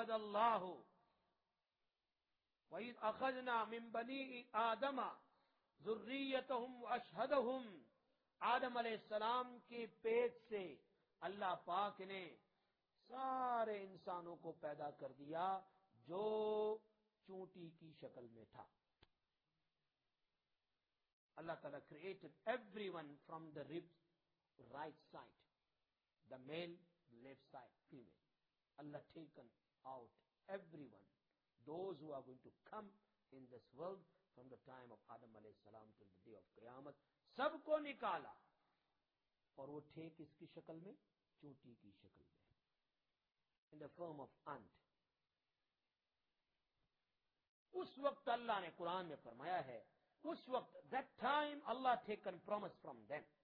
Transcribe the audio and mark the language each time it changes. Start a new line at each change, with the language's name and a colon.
Arabic: وَإِذْ أَخَذْنَا مِن بَنِي آدَمَ ذُرِّيَّتَهُمْ وَأَشْهَدَهُمْ،
Urdu: آدم علیہ السلام کے پیٹ سے اللہ پاک نے سارے انسانوں کو پیدا کر دیا جو چونٹی کی شکل میں تھا.
English: Allah تعالیٰ created everyone from the ribs, right side, the male, left side, female. Allah taken out everyone, those who are going to come in this world from the time of Adam alayhi salam till the day of قیامت.
Urdu: سب کو نکالا اور وہ تھے کس کی شکل میں؟ چوٹی کی شکل میں،
English: in the form of ant.
Urdu: اس وقت اللہ نے قرآن میں فرمایا ہے اس وقت،
English: that time Allah taken promise from them.